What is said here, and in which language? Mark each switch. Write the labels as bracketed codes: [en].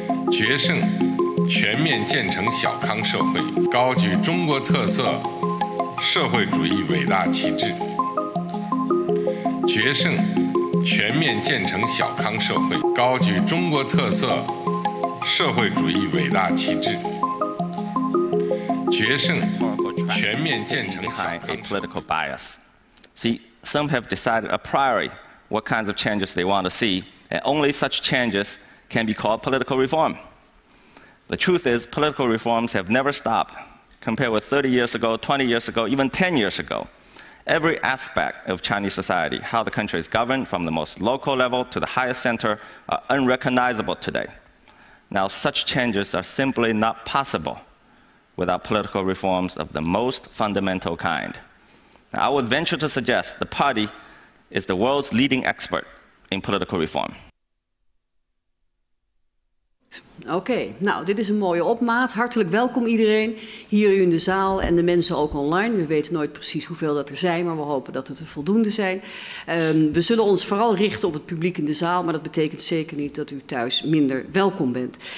[zh] 决胜, 全面建成小康社会, 高举中国特色, 社会主义伟大旗帜, 决胜, 全面建成小康社会, 高举中国特色, 社会主义伟大旗帜, 决胜, 全面建成小康社会. [en] A political bias. See, some have decided a priori what kinds of changes they want to see, and only such changes can be called political reform. The truth is, political reforms have never stopped. Compared with 30 years ago, 20 years ago, even 10 years ago, every aspect of Chinese society, how the country is governed from the most local level to the highest center, are unrecognizable today. Now, such changes are simply not possible without political reforms of the most fundamental kind. Now, I would venture to suggest the party is the world's leading expert in political reform. [nl] Oké, nou, dit is een mooie opmaat. Hartelijk welkom iedereen hier in de zaal en de mensen ook online. We weten nooit precies hoeveel dat er zijn, maar we hopen dat het er voldoende zijn. We zullen ons vooral richten op het publiek in de zaal, maar dat betekent zeker niet dat u thuis minder welkom bent.